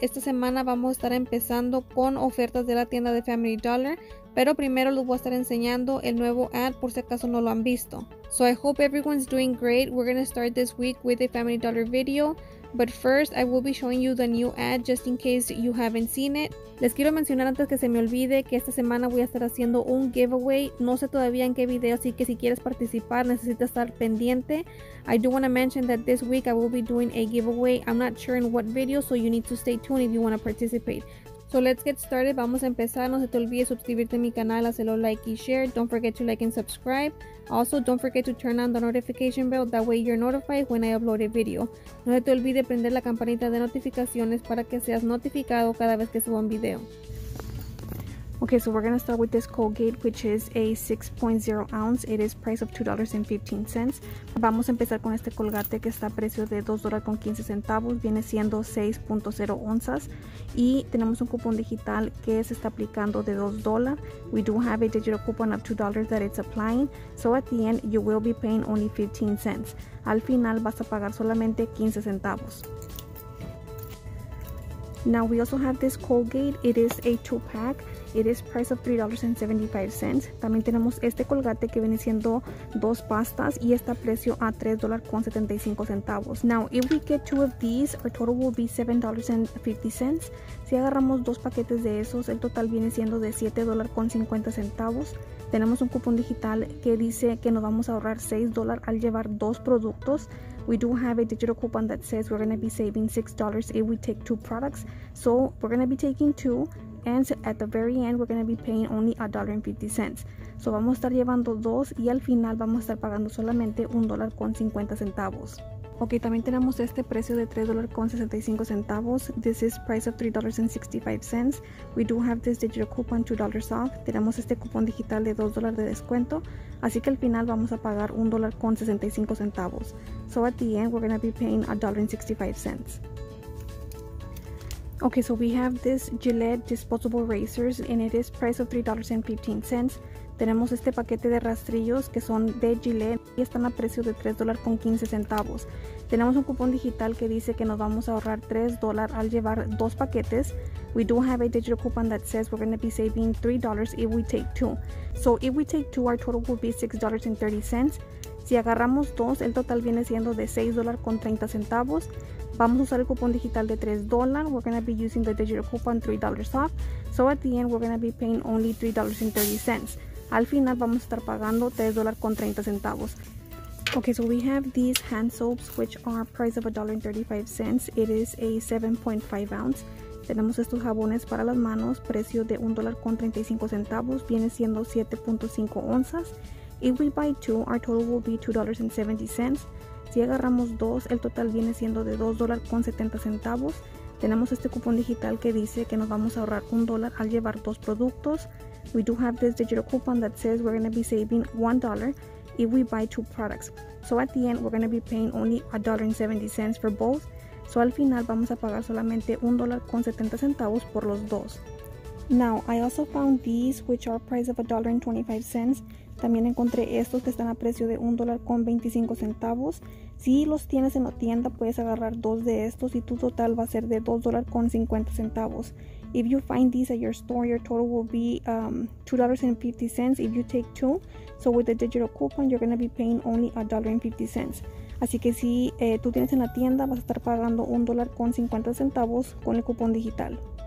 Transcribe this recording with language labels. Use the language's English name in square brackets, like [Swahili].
[Spanish] Esta semana vamos a estar empezando con ofertas de la tienda de Family Dollar, pero primero les voy a estar enseñando el nuevo ad por si acaso no lo han visto. [English] So I hope everyone's doing great. We're going to start this week with a Family Dollar video, but first I will be showing you the new ad just in case you haven't seen it. [Spanish] Les quiero mencionar antes que se me olvide que esta semana voy a estar haciendo un giveaway. No sé todavía en qué video, así que si quieres participar necesitas estar pendiente. [English] I do want to mention that this week I will be doing a giveaway. I'm not sure in what video, so you need to stay tuned if you want to participate. So let's get started. [Spanish] Vamos a empezar. No se te olvide suscribirte a mi canal, hacerlo like y share. [English] Don't forget to like and subscribe. Also, don't forget to turn on the notification bell. That way you're notified when I upload a video. [Spanish] No se te olvide prender la campanita de notificaciones para que seas notificado cada vez que suba un video. [English] Okay, so we're going to start with this Colgate, which is a 6.0 ounce. It is price of $2.15. [Spanish] Vamos a empezar con este Colgate que está a precio de $2.15. Viene siendo 6.0 onzas. Y tenemos un cupón digital que se está aplicando de $2. [English] We do have a digital coupon of $2 that it's applying. So at the end, you will be paying only 15 cents. [Spanish] Al final, vas a pagar solamente 15 centavos. [English] Now we also have this Colgate. It is a 2-pack. It is price of $3.75. [Spanish] También tenemos este Colgate que viene siendo dos pastas y está a precio a $3.75. [English] Now, if we get two of these, our total will be $7.50. [Spanish] Si agarramos dos paquetes de esos, el total viene siendo de $7.50. Tenemos un cupón digital que dice que nos vamos a ahorrar $6 al llevar dos productos. [English] We do have a digital coupon that says we're going to be saving $6 if we take two products. So, we're going to be taking two. And at the very end, we're going to be paying only $1.50. [Spanish] So vamos a estar llevando dos y al final vamos a estar pagando solamente $1.50. Ok, también tenemos este precio de $3.65. [English] This is price of $3.65. We do have this digital coupon $2 off. [Spanish] Tenemos este cupón digital de $2 de descuento. Así que al final vamos a pagar $1.65. [English] So at the end, we're going to be paying $1.65. Okay, so we have this Gillette disposable razors and it is price of $3.15. [Spanish] Tenemos este paquete de rastrillos que son de Gillette y están a precio de $3.15. Tenemos un cupón digital que dice que nos vamos a ahorrar $3 al llevar dos paquetes. [English] We do have a digital coupon that says we're going to be saving $3 if we take two. So if we take two, our total will be $6.30. [Spanish] Si agarramos dos, el total viene siendo de $6.30. Vamos a usar el cupón digital de $3. [English] We're going to be using the digital coupon $3 off. So at the end, we're going to be paying only $3.30. [Spanish] Al final, vamos a estar pagando $3.30. [English] Okay, so we have these hand soaps, which are price of $1.35. It is a 7.5 ounce. [Spanish] Tenemos estos jabones para las manos, precio de $1.35. Viene siendo 7.5 onzas. [English] If we buy two, our total will be $2.70. [Spanish] Si agarramos dos, el total viene siendo de $2.70. Tenemos este cupón digital que dice que nos vamos a ahorrar $1 al llevar dos productos. [English] We do have this digital coupon that says we're going to be saving $1 if we buy two products. So at the end, we're going to be paying only $1.70 for both. [Spanish] So al final, vamos a pagar solamente $1.70 por los dos. [English] Now, I also found these, which are price of $1.25. [Spanish] También encontré estos que están a precio de $1.25. Si los tienes en la tienda, puedes agarrar dos de estos y tu total va a ser de $2.50. [English] If you find these at your store, your total will be $2.50 if you take two. So with the digital coupon, you're going to be paying only $1.50. [Spanish] Así que si tú tienes en la tienda, vas a estar pagando $1.50 con el cupón digital.